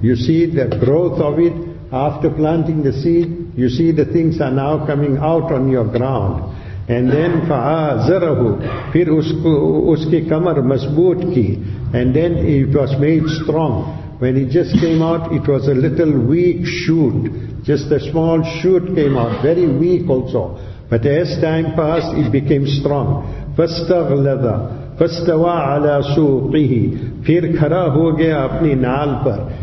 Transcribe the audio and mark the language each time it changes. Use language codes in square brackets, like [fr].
[en] You see the growth of it. After planting the seed, you see the things are now coming out on your ground. And then [ar] فَآزَرَهُ [ur] پھر اس کی کمر مضبوط کی. [en] And then it was made strong. When it just came out, it was a little weak shoot. Just a small shoot came out, very weak also. But as time passed, it became strong. [ar] فَاسْتَغْلَظَ فَاسْتَوَى عَلَى سُوْقِهِ [ur] پھر کھرا ہو گیا اپنی نال پر.